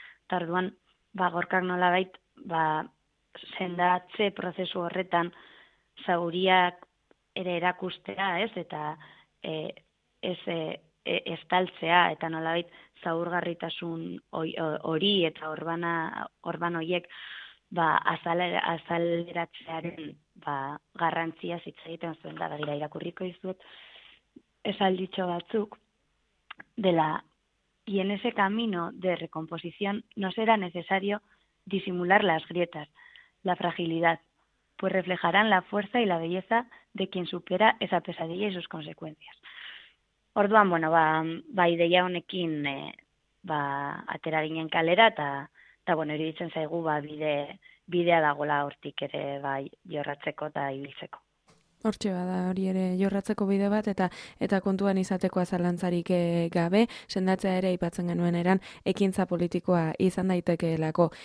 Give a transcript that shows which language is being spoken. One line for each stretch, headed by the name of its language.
Basque: Eta orduan, ba, Gorkak nolabait, ba, sendatze prozesu horretan zauriak ere erakustea, ez? Eta ez estaltzea, eta nolabait zaurgarritasun hori eta orban horiek ba azaleratzearen ba garrantzia hitz egiten zuen da. Begira, irakurriko dizuet esalditxo batzuk dela:
Spanish: y en ese camino de recomposición no será necesario disimular las grietas, la fragilidad, pues reflejarán la fuerza y la belleza de quien supera esa pesadilla y sus consecuencias.
Basque: Orduan, bueno, ba ideia honekin ba atera ginen kalera, ta bueno, iruditzen zaigu ba bidea dagola hortik ere bai jorratzeko eta ibiltzeko. Hortxe bada, hori ere jorratzeko bide bat eta kontuan izateko zalantzarik gabe, sendatzea ere aipatzen genuen eran ekintza politikoa izan daitekeelako.